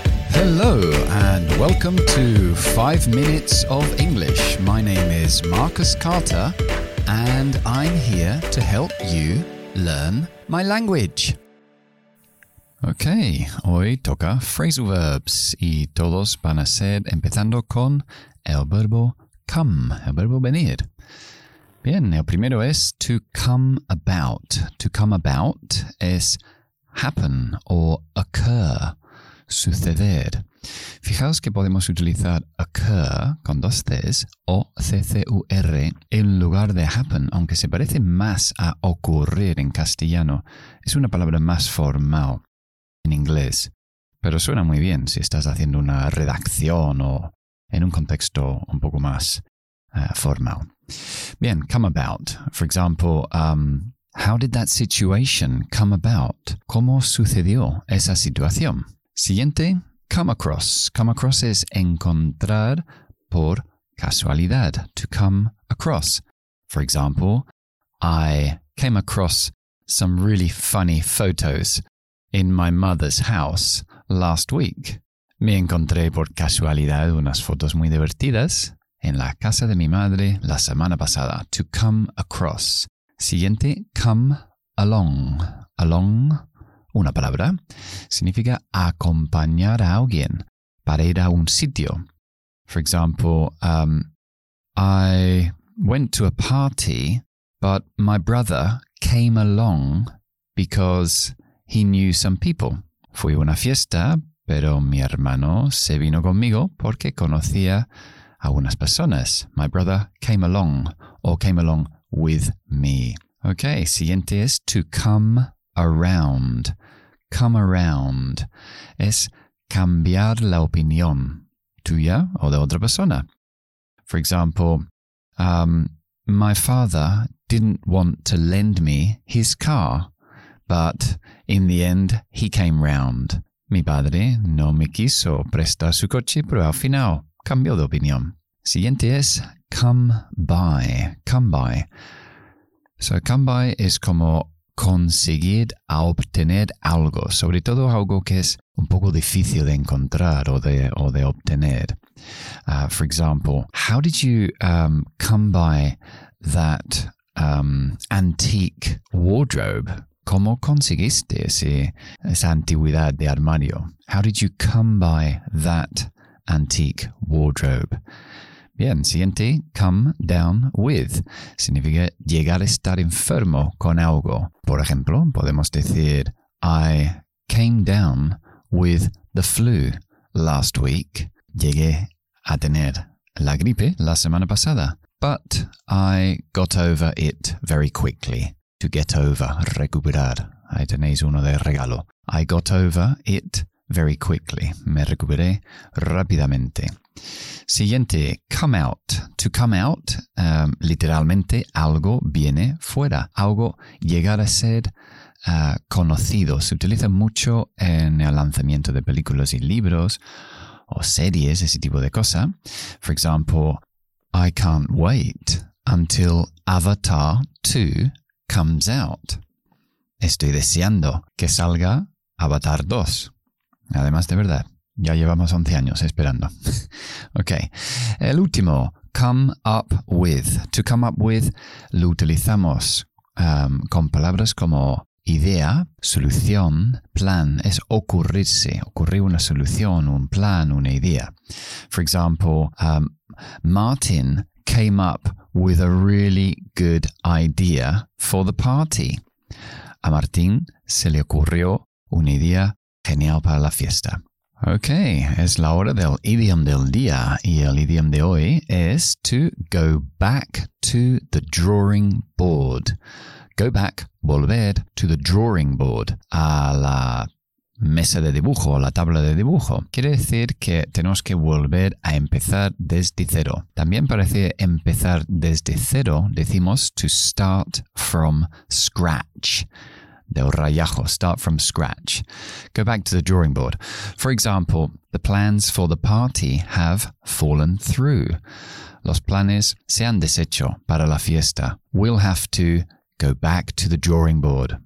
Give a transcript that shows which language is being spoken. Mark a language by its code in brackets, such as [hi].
[en] Hello and welcome to 5 Minutes of English. My name is Marcus Carter and I'm here to help you learn my language. [es] Okay, hoy toca phrasal verbs y todos van a ser empezando con el verbo come, el verbo venir. Bien, el primero es [en] to come about. To come about es happen or occur, suceder. [es] Fijaos que podemos utilizar occur con dos C's, O-C-C-U-R, en lugar de happen, aunque se parece más a ocurrir en castellano. Es una palabra más formal en inglés, pero suena muy bien si estás haciendo una redacción o en un contexto un poco más formal. Bien, come about. [en] For example, how did that situation come about? [es] ¿Cómo sucedió esa situación? Siguiente. Come across. Come across es encontrar por casualidad. [en] To come across. For example, I came across some really funny photos in my mother's house last week. [es] Me encontré por casualidad unas fotos muy divertidas en la casa de mi madre la semana pasada. [en] To come across. Siguiente, come along. Along. [es] Una palabra significa acompañar a alguien para ir a un sitio. [en] For example, I went to a party, but my brother came along because he knew some people. [es] Fui a una fiesta, pero mi hermano se vino conmigo porque conocía a unas personas. [en] My brother came along or came along with me. Okay, siguiente es to come around. [es] Come around es cambiar la opinión tuya o de otra persona. [en] For example, my father didn't want to lend me his car, but in the end he came round. [es] Mi padre no me quiso prestar su coche, pero al final cambió de opinión. [en] Siguiente es come by. Come by. [es] So come by es como conseguir a obtener algo, sobre todo algo que es un poco difícil de encontrar o de obtener. [en] For example, how did you come by that antique wardrobe? [es] ¿Cómo conseguiste esa antigüedad de armario? [en] How did you come by that antique wardrobe? [es] Bien, siguiente, come down with, significa llegar a estar enfermo con algo. Por ejemplo, podemos decir, [en] I came down with the flu last week. [es] Llegué a tener la gripe la semana pasada, [en] but I got over it very quickly. To get over, recuperar. [es] Ahí tenéis uno de regalo. [en] I got over it very quickly. [es] Me recuperé rápidamente. Siguiente, come out. To come out, literalmente, algo viene fuera. Algo llegar a ser conocido. Se utiliza mucho en el lanzamiento de películas y libros o series, ese tipo de cosa. [en] For example, I can't wait until Avatar 2 comes out. [es] Estoy deseando que salga Avatar 2. Además, de verdad, ya llevamos 11 años esperando. Ok, el último, come up with. To come up with lo utilizamos con palabras como idea, solución, plan. Es ocurrirse, ocurrir una solución, un plan, una idea. [en] For example, Martin came up with a really good idea for the party. [es] A Martín se le ocurrió una idea genial para la fiesta. Ok, es la hora del idiom del día. Y el idiom de hoy es [en] to go back to the drawing board. Go back, volver, to the drawing board. [es] A la mesa de dibujo, a la tabla de dibujo. Quiere decir que tenemos que volver a empezar desde cero. También parece empezar desde cero, decimos [en] to start from scratch. Del rayajo, start from scratch. Go back to the drawing board. For example, the plans for the party have fallen through. [es] Los planes se han deshecho para la fiesta. [en] We'll have to go back to the drawing board.